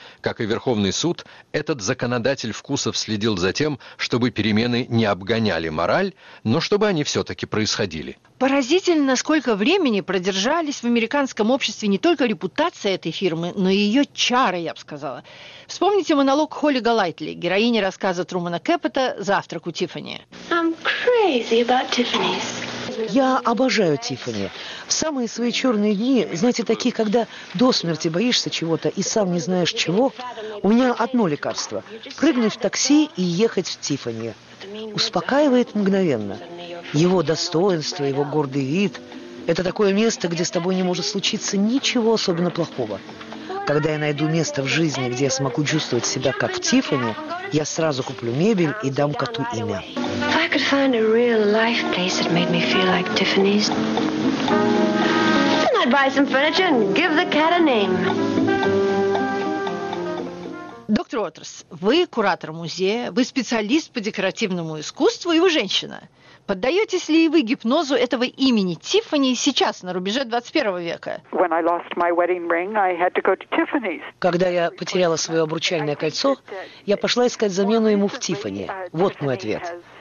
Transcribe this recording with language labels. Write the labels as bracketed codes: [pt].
[ru] Как и Верховный суд, этот законодатель вкусов следил за тем, чтобы перемены не обгоняли мораль, но чтобы они все-таки происходили. Поразительно, сколько времени продержались в американском обществе не только репутация этой фирмы, но и ее чары, я бы сказала. Вспомните монолог Холли Галайтли, героини рассказа Трумана Кэппета «Завтрак у Тиффани». [en] I'm crazy about Tiffany's. [ru] Я обожаю Тиффани. В самые свои черные дни, знаете, такие, когда до смерти боишься чего-то и сам не знаешь чего, у меня одно лекарство – прыгнуть в такси и ехать в Тиффани. Успокаивает мгновенно. Его достоинство, его гордый вид – это такое место, где с тобой не может случиться ничего особенно плохого. Когда я найду место в жизни, где я смогу чувствовать себя как в Тиффани, я сразу куплю мебель и дам коту имя. [en] If I could find a real life place that made me feel like Tiffany's, then I'd buy some furniture and give the cat a name. [ru] Доктор Уотерс, вы куратор музея, вы специалист по декоративному искусству, и вы женщина. Поддаетесь ли и вы гипнозу этого имени Тиффани сейчас, на рубеже 21 века? Когда я потеряла свое обручальное кольцо, я пошла искать замену ему в Тиффани. Вот мой ответ.